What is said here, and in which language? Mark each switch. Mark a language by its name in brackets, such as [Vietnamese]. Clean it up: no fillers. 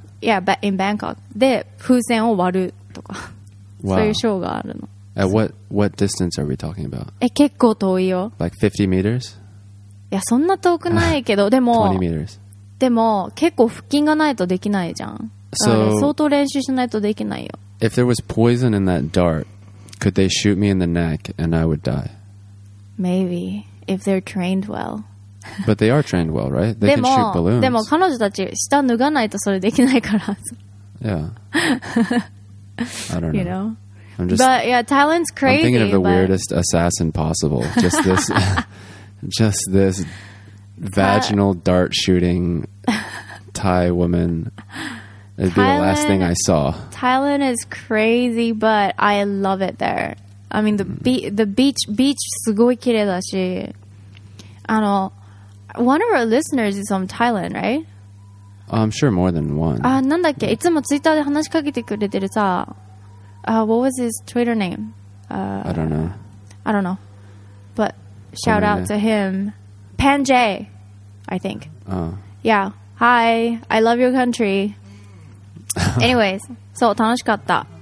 [English] Yeah, in Bangkok. [Japanese] で、風船を割るとか、 [English] wow. [Japanese] そういうショーがあるの。 [English] At what distance are we talking about? [Japanese] え、結構遠いよ。 [English] Like 50 meters? [Japanese] いや、そんな遠くないけど、でも、 [English] 20 meters. [Japanese] でも、結構腹筋がないとできないじゃん。 [English] So, [Japanese] 相当練習しないとできないよ。 [English] If there was poison in that dart, could they shoot me in the neck and I would die? Maybe, if they're trained well. But they are trained well, right? They can shoot balloons. [Japanese] でも彼女たち下脱がないとそれできないから。 [English] Yeah. I don't know. You know? But yeah, Thailand's crazy. I'm thinking of the weirdest assassin possible. Just this, just this vaginal dart shooting Thai woman. It'd be the last thing I saw. Thailand is crazy, but I love it there. I mean, the beach [Japanese] すごい綺麗だし。 [English] あの、one of our listeners is from Thailand, right? I'm sure more than one. [Japanese] あ、なんだっけ、いつもツイッターで話しかけてくれてるさ。 [English] What was his Twitter name? I don't know. I don't know. But shout out to him. Panjay, I think. Yeah. Hi, I love your country. Anyways, [Japanese] そう、楽しかった。